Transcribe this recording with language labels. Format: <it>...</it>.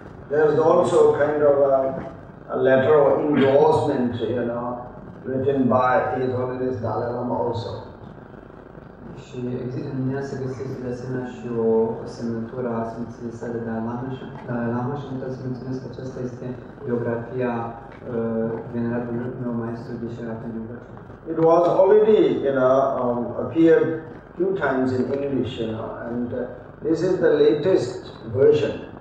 <en>There's also kind of a letter of endorsement, you know, written by His Holiness Dalai Lama also.</en> <ro>Și există în ea, se găsește de asemenea și o semnătură a Sfinției sale Dalai Lama și nu trebuie să menționez că aceasta este biografia venerabilului meu maestru de Gonsar Tulku Rinpoche.</ro> <en>It was already, you know, appeared few times in English, you know, and this is the latest version.</en>